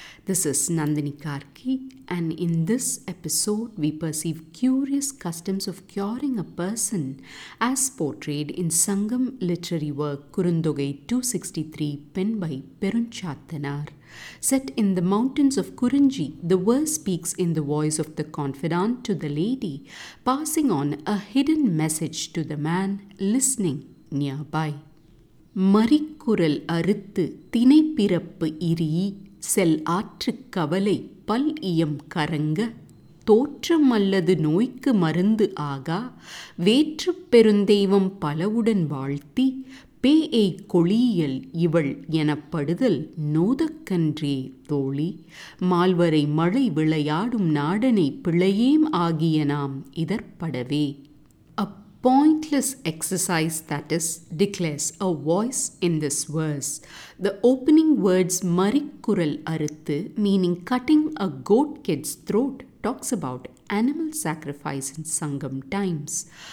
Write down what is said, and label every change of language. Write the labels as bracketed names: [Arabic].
[English] This is Nandini Karki, and in this episode we perceive curious customs of curing a person as portrayed in Sangam literary work Kurundogai 263, penned by Perunchatanar. Set in the mountains of Kurunji, the verse speaks in the voice of the confidant to the lady, passing on a hidden message to the man listening nearby. [Tamil] மறிக்குரல் அறுத்து தினைப்பிறப்பு இரி செல் ஆற்றுக் கவலை பல் இயம் கரங்க தோற்றம் அல்லது நோய்க்கு மருந்து ஆகா வேற்றுப் பெருந்தெய்வம் பலவுடன் வாழ்த்தி பேஏ கொழியல் இவள் எனப்படுதல் நோதக்கன்றே தோழி மால்வரை மழை விளையாடும் நாடனை பிழையேம் ஆகிய நாம் இதற்படவே. [English] Pointless exercise, that is, declares a voice in this verse. The opening words [Tamil] marikkural aruthu, [English] meaning cutting a goat kid's throat, talks about animal sacrifice in Sangam times.